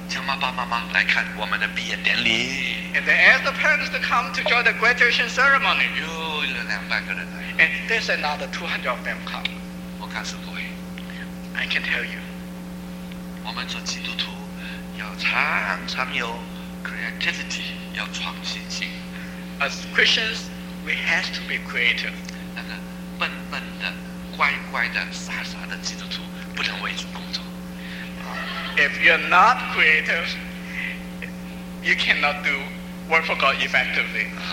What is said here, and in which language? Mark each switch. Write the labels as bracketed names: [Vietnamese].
[Chinese] 叫妈爸妈妈来看我们的毕业典礼。 [English] And they ask the parents to come to join the graduation ceremony. [Chinese] 又有两百个人来。 [English] And there's another 200 of them come. [Chinese] 我告诉各位, [English] I can tell you. [Chinese] 我们做基督徒要常常有 creativity, 要创新性。 [English] As Christians, we have to be creative. [Chinese] 那个笨笨的、乖乖的、傻傻的基督徒不能为主工作。 [English] If you're not creative, you cannot do work for God effectively.